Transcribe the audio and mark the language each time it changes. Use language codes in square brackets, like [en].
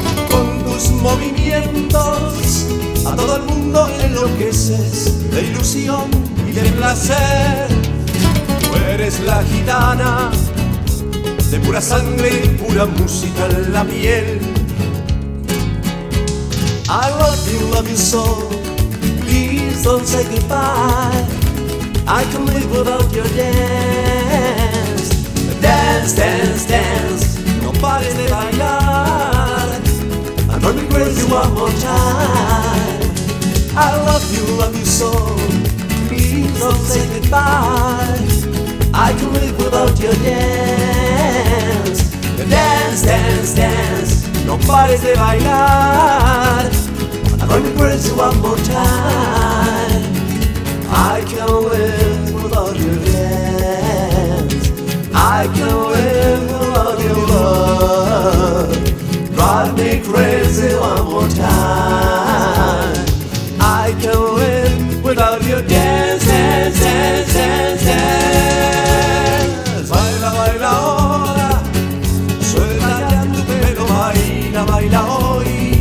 [es] Con tus movimientos a todo el mundo enloqueces de ilusión y de placer. Tú eres la gitana de pura sangre y pura música en la piel. [en] I love you so, please don't say goodbye. I can't live without your dance. Dance, dance, dance, [es] no pares de bailar. [en] I'm running crazy one more time. I love you so, please don't say goodbye. I can't live without your dance. Dance, dance, dance, [es] no pares de bailar. [en] Let me praise you one more time. I can't live without your dance. I can't live without your love. Drive me crazy one more time. I can't live without your dance, dance, dance, dance, dance. [es] Baila, baila ahora. Suelta ya tu pelo, baila, baila hoy.